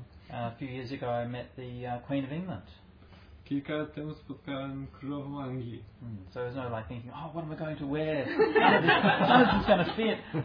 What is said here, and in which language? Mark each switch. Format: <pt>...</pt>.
<en>A few years ago, I met the Queen of England.</en> <pl>Kilka lat temu spotkałem królową Anglii.</pl> <en>So there's no like thinking, oh, what am I going to wear? How is this going to fit?</en>